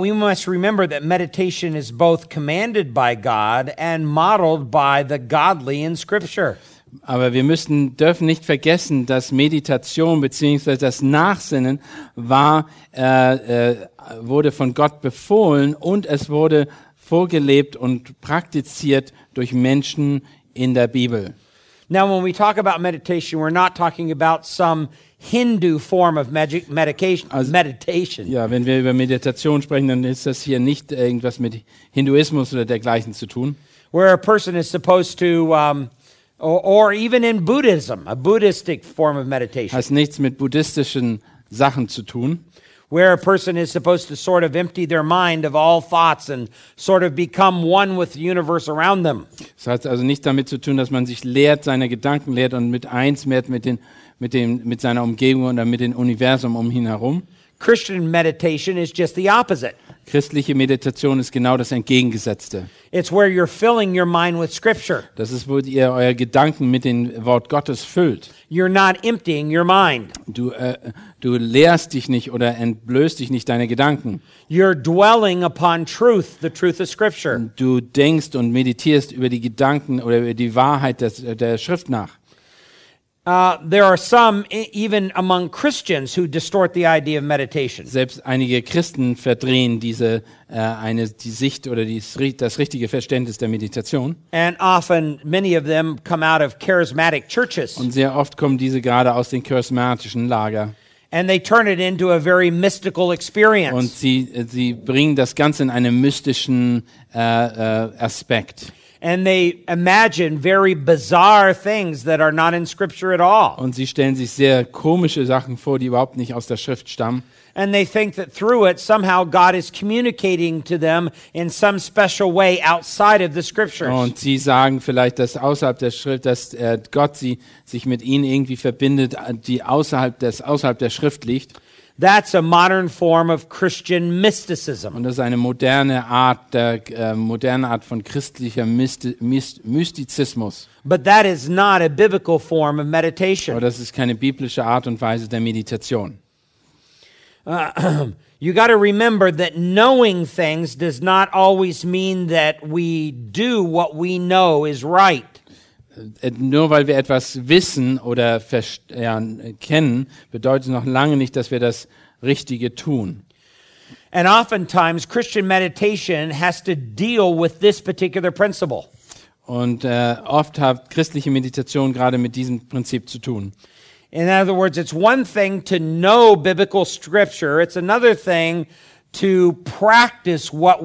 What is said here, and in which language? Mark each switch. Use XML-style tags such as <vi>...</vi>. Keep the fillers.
<de>wir müssen dürfen nicht vergessen, dass Meditation bzw. das Nachsinnen war äh, äh, wurde von Gott befohlen und es wurde vorgelebt und praktiziert durch Menschen in der Bibel.</de> <en>Now when we talk about meditation, we're not talking about some Hindu form of magic medication, meditation, also, meditation.</en> <de>Ja, wenn wir Meditation sprechen, dann ist das hier nicht irgendwas mit Hinduismus dergleichen zu tun.</de> <en>Where a person is supposed to, um, or, or, even in Buddhism, a Buddhistic form of meditation.</en> <de>Has nichts mit buddhistischen Sachen zu tun.</de> <en>Where a person is supposed to sort of empty their mind of all thoughts and sort of become one with the universe around them.</en> <de>Das hat also nichts damit zu tun, dass man sich leert seiner Gedanken leert und mit eins wird mit den mit dem mit seiner Umgebung oder mit dem Universum um ihn herum. Meditation Christliche Meditation ist genau das entgegengesetzte. Das ist wo ihr euer Gedanken mit dem Wort Gottes füllt. Du äh, du leerst dich nicht oder entblößt dich nicht deine Gedanken.</de> <en>Truth, truth</en> <de>du denkst und meditierst über die Gedanken oder über die Wahrheit der, der Schrift nach.</de> <en>Uh, there are some even among Christians who distort the idea of meditation.</en> <de>Selbst einige Christen verdrehen diese uh, eine die Sicht oder die, das richtige Verständnis der Meditation.</de> <en>And often many of them come out of charismatic churches.</en> <de>Und sehr oft kommen diese gerade aus den charismatischen Lager.</de> <en>And they turn it into a very mystical experience.</en> <de>Und sie sie bringen das Ganze in einen mystischen äh, uh, Aspekt</de> <en>and they imagine very bizarre things that are not in scripture at all.</en> <de>Und sie stellen sich sehr komische Sachen vor, die überhaupt nicht aus der Schrift stammen.</de> <en>And they think that through it somehow God is communicating to them in some special way outside of the Scripture.</en> <de>Und sie sagen vielleicht, dass außerhalb der Schrift, dass Gott sie sich mit ihnen irgendwie verbindet, die außerhalb des außerhalb der Schrift liegt.</de> <en>That's a modern form of Christian mysticism.</en> <de>Und eine moderne Art der äh, moderne Art von christlicher Mysti Myst Mystizismus.</de> <en>But that is not a biblical form of meditation.</en> <de>Aber das ist keine biblische Art und Weise der Meditation.</de> <en>Uh, you got to remember that knowing things does not always mean that we do what we know is right.</en> <de>nur weil wir etwas wissen oder kennen, bedeutet noch lange nicht, dass wir das Richtige tun. Und äh, oft hat christliche Meditation gerade mit diesem Prinzip zu tun.</de> <en>In other words, it's one thing to know biblical scripture, it's another thing to practice what</en>